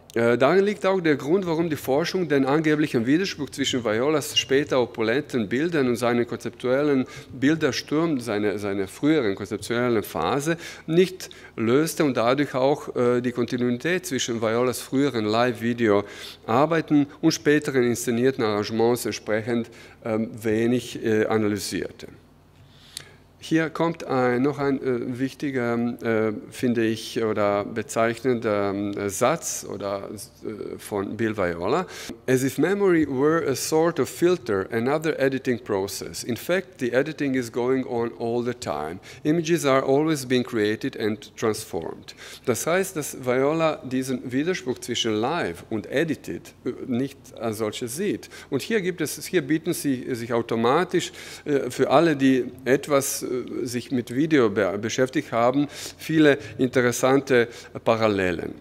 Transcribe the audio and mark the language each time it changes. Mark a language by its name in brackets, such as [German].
[German] Darin liegt auch der Grund, warum die Forschung den angeblichen Widerspruch zwischen Violas später opulenten Bildern und seinen konzeptuellen Bildersturm, seine früheren konzeptuellen Phase, nicht löste und dadurch auch die Kontinuität zwischen Violas früheren Live-Video-Arbeiten und späteren inszenierten Arrangements entsprechend wenig analysierte. Hier kommt noch ein wichtiger, finde ich, oder bezeichnender Satz oder von Bill Viola. [English] As if memory were a sort of filter, another editing process. In fact, the editing is going on all the time. Images are always being created and transformed. [German] Das heißt, dass Viola diesen Widerspruch zwischen live und edited nicht als solches sieht. Und hier gibt es, hier bieten sie sich automatisch für alle, die etwas sich mit Video beschäftigt haben, viele interessante Parallelen.